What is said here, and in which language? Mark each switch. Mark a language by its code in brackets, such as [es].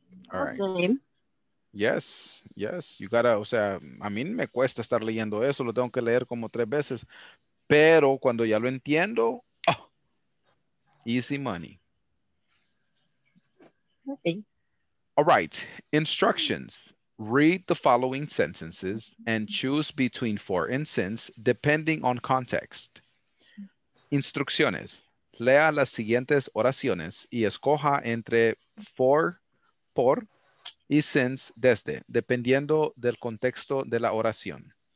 [en] All right. Okay. Yes, yes. You gotta, [es] o sea, a mí me cuesta estar leyendo eso. Lo tengo que leer como tres veces. Pero cuando ya lo entiendo, [en] oh, easy money. Ok. All right, instructions. Read the following sentences and choose between for and since depending on context. [es] Instrucciones. Lea las siguientes oraciones y escoja entre for, por y since desde, dependiendo del contexto de la oración.